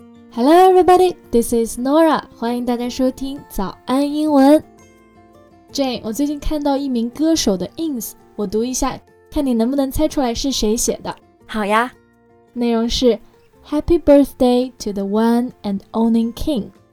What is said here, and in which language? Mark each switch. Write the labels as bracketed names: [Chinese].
[English] Hello everybody, this is Nora. [Chinese] 欢迎大家收听早安英文。Jane, 我最近看到一名歌手的 Ins, 我读一下，看你能不能猜出来是谁写的。好呀。内容是 [English] Happy birthday to the one and only king.